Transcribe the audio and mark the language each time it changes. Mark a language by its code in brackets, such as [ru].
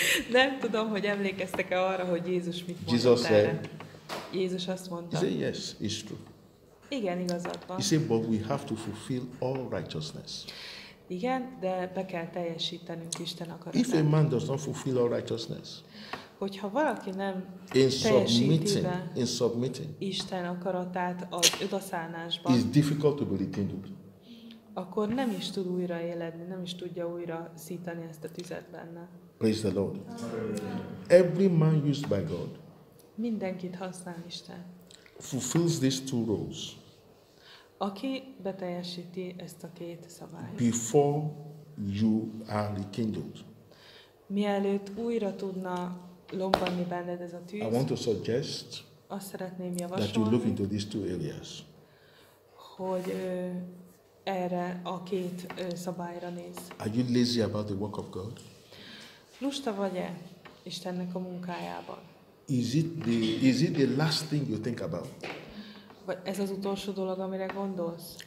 [hu] Nem tudom, hogy emlékeztek-e arra, hogy Jézus mit mondta. [en] Jesus [hu] erre. [en] Said, [hu] Jézus azt mondta. [en] He said, yes, it's true. [hu] Igen, igazad van. [en] He said, but we have to fulfill all righteousness. [hu] Igen, de be kell teljesítenünk Isten akaratát. [en] If a man does not fulfill all righteousness, [hu] hogyha valaki nem [en] in submitting, [hu] Isten akaratát az odaszállásban, [en] it's difficult to be rekindled. [hu] Akkor nem is tud újra éledni, nem is tudja újra szítani ezt a tüzet benne. [en] Praise the Lord. Every man used by God, [hu] mindenkit használ Isten, [en] fulfills these two roles. [hu] Aki beteljesíti ezt a két szabályt. [en] Before you are rekindled. [hu] Mielőtt újra tudna lombanni benned ez a tűz. [en] I want to suggest, [hu] azt szeretném javasolni, [en] that you look into these two areas. [hu] Hogy erre a két szabályra néz. [en] Are you lazy about the work of God? [hu] Lusta vagy-e Istennek a munkájában? [en] Is it the last thing you think about? [hu] Vagy ez az utolsó dolog, amire gondolsz?